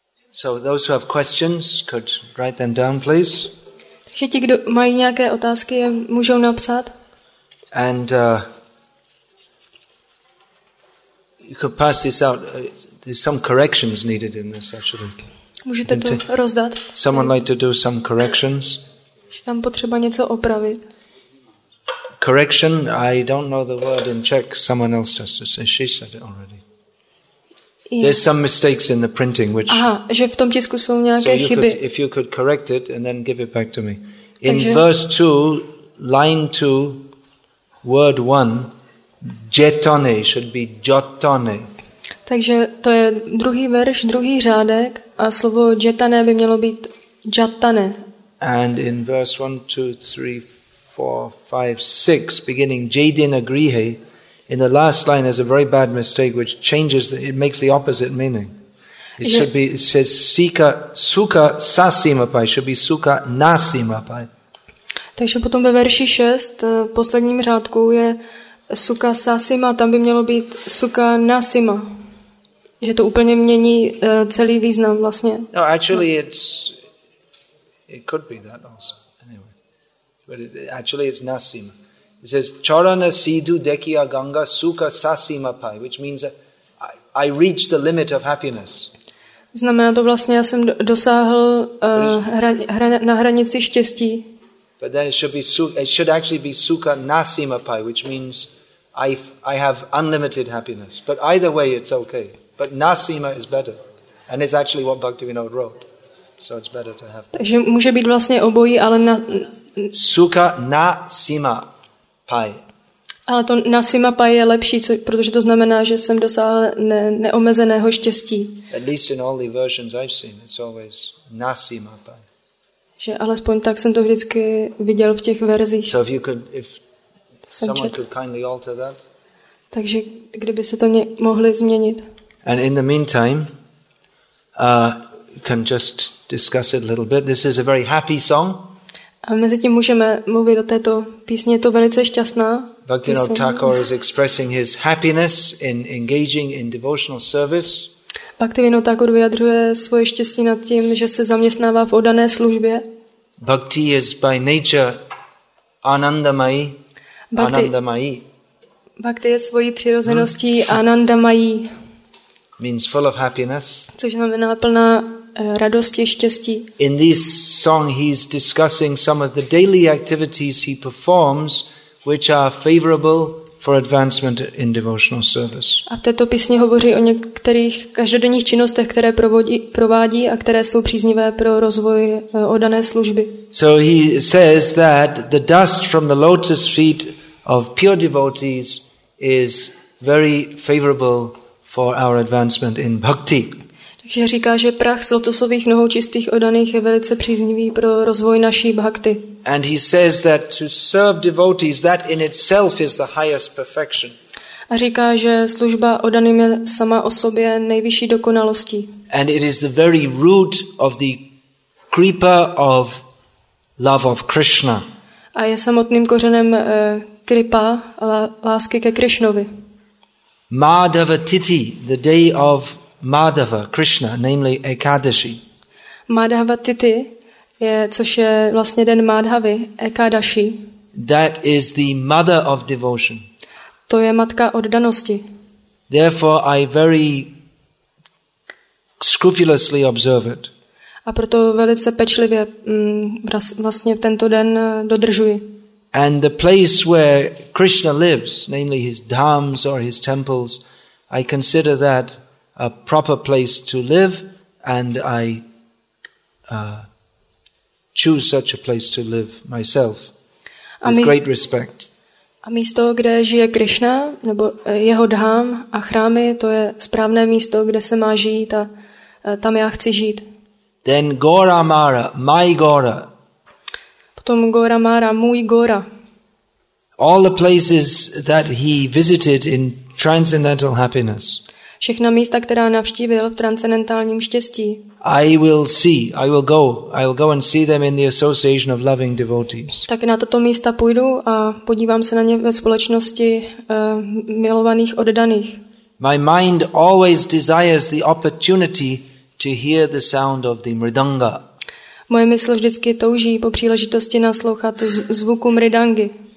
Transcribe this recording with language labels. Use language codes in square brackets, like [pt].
[en] So those who have questions could write them down, please. [cs] Takže ti, kdo mají nějaké otázky, je můžou napsat. [en] And you could pass this out. There's some corrections needed in this, actually. [cs] Můžete to rozdat. [en] Someone like to do some corrections? [cs] Je tam potřeba něco opravit. [en] Correction, I don't know the word in Czech. Someone else just said, she said it already. Yeah. There's some mistakes in the printing which [cs] aha, že v tom tisku jsou nějaké chyby. [en] So if you could correct it and then give it back to me. In [cs] takže [en] verse 2, line 2, word 1, jetone should be jotone. [cs] Takže to je druhý verš, druhý řádek a slovo jetone by mělo být jatane. [en] And in verse 1 2 3 4 5 6 beginning jadin agrihe in the last line is a very bad mistake which changes the, it makes the opposite meaning. It should be, it says [bn] sika suka sasimapai, [en] should be [bn] suka nasimapai. [cs] Takže potom ve verši 6 posledním řádku je suka sasima, tam by mělo být suka nasima. Že to úplně mění celý význam vlastně. [en] No, actually it could be that also. Anyway. But actually it's nasima. It says [bn] charana sidu dekia ganga suka sasima pai, [en] which means I reach the limit of happiness. [cs] Znamená to vlastně, já jsem dosáhl na hranici štěstí. [en] But then it should actually be [bn] suka nasima pai, [en] which means I have unlimited happiness. But either way it's okay. But nasima is better. And it's actually what Bhaktivinoda wrote. So it's better to have. [cs] Takže může být vlastně obojí, ale na [bn] suka na sima pai. [cs] Ale to na sima pai je lepší, protože to znamená, že jsem dosáhl neomezeného štěstí. [en] At least in all the versions I've seen, it's always na sima pai. [cs] Že alespoň tak jsem to vždycky viděl v těch verzích. [en] So if someone could kindly alter that. [cs] Takže kdyby se to mohli změnit. [en] And in the meantime, can just discuss it a little bit. This is a very happy song. [cs] A mezi tím můžeme mluvit o této písni. Je to velice šťastná. [en] Bhaktivinoda Thakur is expressing his happiness in engaging in devotional service. [cs] Bhaktivinoda Thakur vyjadřuje svoje štěstí nad tím, že se zaměstnává v oddané službě. [en] Bhakti is by nature anandamayi. Anandamayi. [cs] Bhakti je svojí přirozeností anandamayi. [en] Means full of happiness. [cs] Což znamená plná radosti, štěstí. [en] In this song he's discussing some of the daily activities he performs which are favorable for advancement in devotional service. [cs] A v této písni hovoří o některých každodenních činnostech, které provádí a které jsou příznivé pro rozvoj oddané služby. [en] So he says that the dust from the lotus feet of pure devotees is very favorable for our advancement in bhakti. [cs] Takže říká, že prach z lotosových nohou čistých oddaných je velice příznivý pro rozvoj naší bhakti. [en] And he says that to serve devotees that in itself is the highest perfection. [cs] A říká, že služba oddaným je sama o sobě nejvyšší dokonalostí. [en] And it is the very root of the creeper of love of Krishna. [cs] A je samotným kořenem kripa, lásky ke Krishnovi. [en] Madhava Tithi, the day of Madhava, Krishna, namely Ekadashi. [cs] Madhava Tithi, což je vlastně den Madhavy, Ekadashi. [en] That is the mother of devotion. [cs] To je matka oddanosti. [en] Therefore I very scrupulously observe it. [cs] A proto velice pečlivě vlastně tento den dodržuji. [en] And the place where Krishna lives, namely his dhams or his temples, I consider that a proper place to live, and I choose such a place to live myself with great respect. [cs] A místo, kde žije Krishna, nebo jeho dhám a chrámy, to je správné místo, kde se má žít a tam já chci žít. [en] Then Gora Mara, my Gora. [cs] Potom Gora Mara, můj Gora. [en] All the places that he visited in transcendental happiness. [cs] Všechna místa, která navštívil v transcendentálním štěstí. [en] I will go and see them in the association of loving devotees. [cs] Tak na tato místa půjdu a podívám se na ně ve společnosti milovaných oddaných. [en] My mind always desires the opportunity to hear the sound of the mridanga. [cs] Moje mysl vždycky touží po příležitosti naslouchat zvuku mridangy.